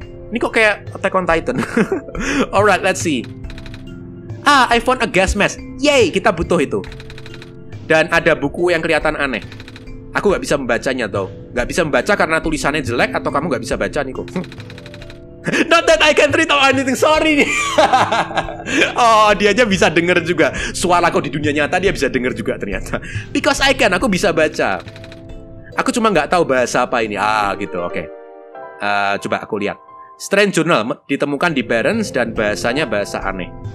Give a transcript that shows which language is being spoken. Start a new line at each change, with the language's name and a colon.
Indonesian: Ini kok kayak Attack on Titan.
English: Alright, let's see. Ah, I found a gas mask.
Indonesian: Yay, kita butuh itu. Dan ada buku yang kelihatan aneh. Aku gak bisa membacanya, tau. Gak bisa membaca karena tulisannya jelek atau kamu gak bisa baca, Nico.
English: Not that I can't read or anything, sorry.
Indonesian: Oh, dia aja bisa denger juga. Suara kok di dunia nyata dia bisa denger juga ternyata.
English: Because I can,
Indonesian: aku bisa baca. Aku cuma gak tahu bahasa apa ini. Ah, gitu, oke. Okay. Coba aku lihat. Strange Journal ditemukan di Barrens dan bahasanya bahasa aneh.